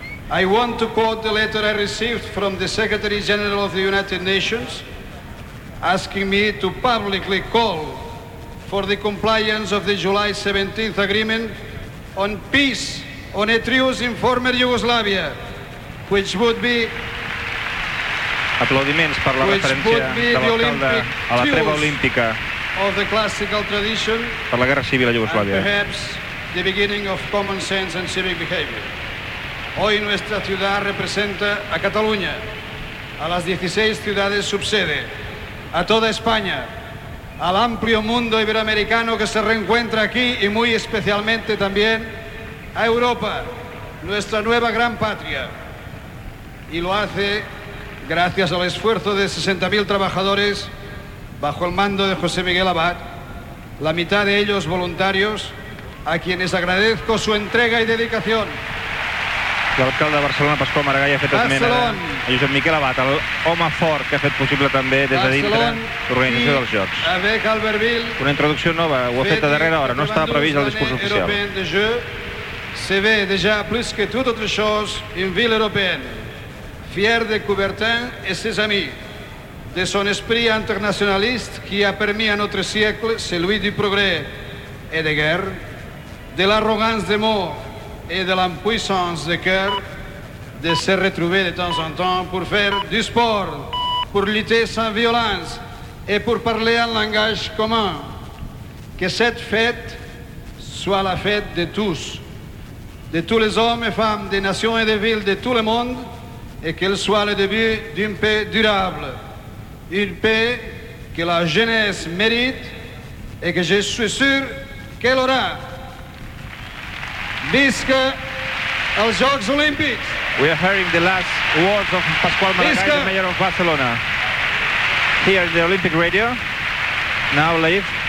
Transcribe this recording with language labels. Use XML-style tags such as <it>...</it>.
<en>I want to quote the letter I received from the Secretary General of the United Nations, asking me to publicly call for the compliance of the July 17th agreement on peace on a truce in former Yugoslavia, which would be</en> <ca>aplaudiments per la referència de l'alcalde a la treva olímpica</ca> <en>of the classical tradition</en> <ca>per la guerra civil a Iugoslàvia.</ca> <en>Perhaps the beginning of common sense and civic behavior.</en> <es>Hoy nuestra ciudad representa a Cataluña, a las 16 ciudades subsede, a toda España, al amplio mundo iberoamericano que se reencuentra aquí y muy especialmente también a Europa, nuestra nueva gran patria. Y lo hace gracias al esfuerzo de 60.000 trabajadores bajo el mando de José Miguel Abad, la mitad de ellos voluntarios, a quienes agradezco su entrega y dedicación.</es> <ca>L'alcalde de Barcelona, Pasqual Maragall, ha fet esment a Josep Miquel Abad, l'home fort que ha fet possible també des de dintre l'organització dels Jocs.</ca> <fr>Avec Albertville,</fr> <ca>una introducció nova, ho ha fet a darrera hora, no estava previst el discurs oficial.</ca> <fr>Se ve déjà plus que tout autre chose en ville européenne. Fier de Coubertin et ses amis, de son esprit internationaliste qui a permis à notre siècle, celui du progrès et de guerre, de l'arrogance de mots et de l'impuissance de cœur de se retrouver de temps en temps pour faire du sport, pour lutter sans violence et pour parler un langage commun. Que cette fête soit la fête de tous les hommes et femmes, des nations et des villes, de tout le monde, et qu'elle soit le début d'une paix durable, une paix que la jeunesse mérite et que je suis sûr qu'elle aura.</fr> <ca>Visca els Jocs Olímpics!</ca> <en>We are hearing the last words of Pasqual Maragall, the mayor of Barcelona, here in the Olympic Radio, now live.</en>